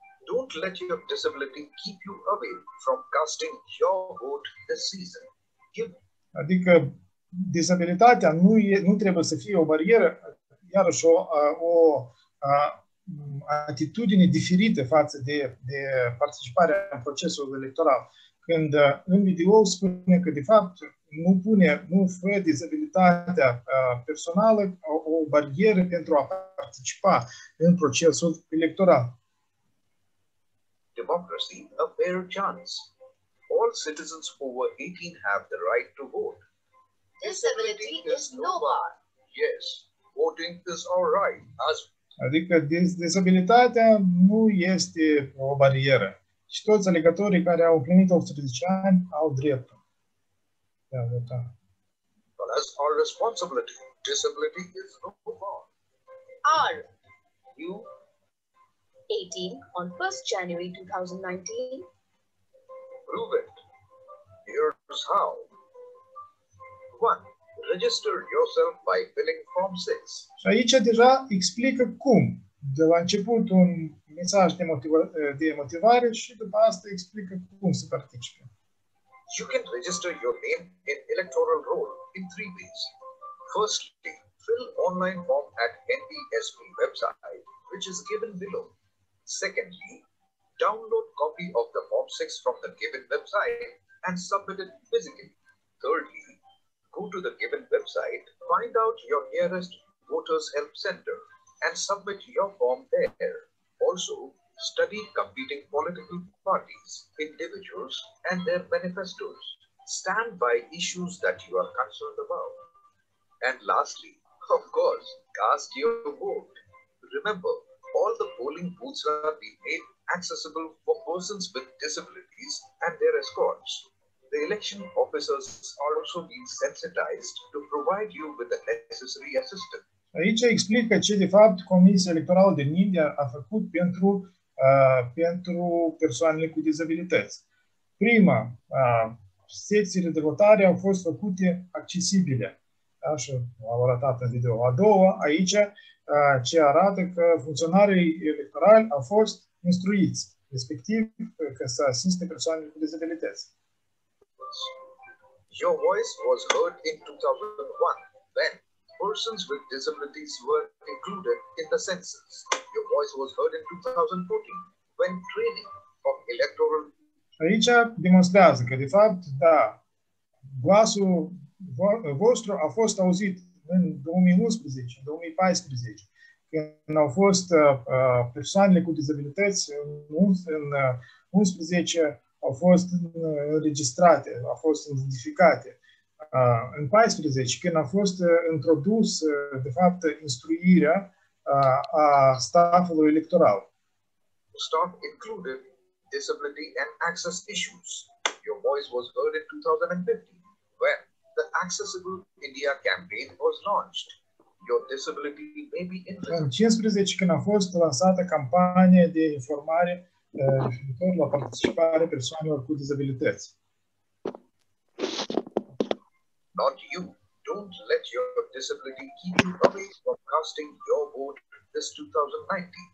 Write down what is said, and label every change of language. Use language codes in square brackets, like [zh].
[en] Don't let your disability keep you away from casting your vote this season. [ro] Adică disabilitatea nu trebuie să fie o barieră, iarăși o atitudine diferită față de participarea în procesul electoral. Când în video spune că de fapt nu fă dizabilitatea personală o barieră pentru a participa în procesul electoral. [en] Democracy, a fair chance. All citizens over 18 have the right to vote. Disability is no bar. Yes, voting is our right. [ro] Adică dizabilitatea nu este o barieră. Și toți alegătorii care au primit 18 ani au dreptul de a vota. [en] But as our responsibility, disability is no bar. You 18 on 1st January 2019. Prove it. Here's how. 1. Register yourself by filling Form 6. [ro] Și aici deja explică cum. De la început un mesaj de motivare și după asta explică cum să participe. [en] You can register your name in electoral roll in 3 ways. Firstly, fill online form at NDSP website, which is given below. Secondly, download copy of the Form 6 from the given website and submit it physically. Thirdly, go to the given website, find out your nearest voters help center and submit your form there. Also, study competing political parties, individuals and their manifestos. Stand by issues that you are concerned about. And lastly, of course, cast your vote. Remember, all the polling booths are being made accessible for persons with disabilities and their escorts. The election officers are also being sensitized to provide you with the necessary assistance. [ro] Aici explică ce de fapt Comisia Electorală din India a făcut pentru pentru persoanele cu dizabilități. Prima, secțiile de votare au fost făcute accesibile, așa am arătat în video. A doua, aici, ce arată că funcționarii electorali au fost instruiți, respectiv că să asiste persoanele cu dizabilități. [en] Your voice was heard in 2001, when persons with disabilities were included in the census. Your voice was heard in 2014, when training of electoral... [ro] Aici demonstrează că, de fapt, da, glasul vostru a fost auzit în 2011, 2014, când au fost persoanele cu dizabilități în 11 au fost înregistrate, au fost identificate. În 14, când a fost introdus, de fapt, instruirea a staffului electoral. [en] Staff included disability and access issues. Your voice was heard in 2015, when the Accessible India campaign was launched. Your disability may be [ro] in 15, când a fost lansată campania de informare referitor la participare persoanelor cu dizabilități. [en] Not you. Don't let your disability keep you away from casting your vote this 2019.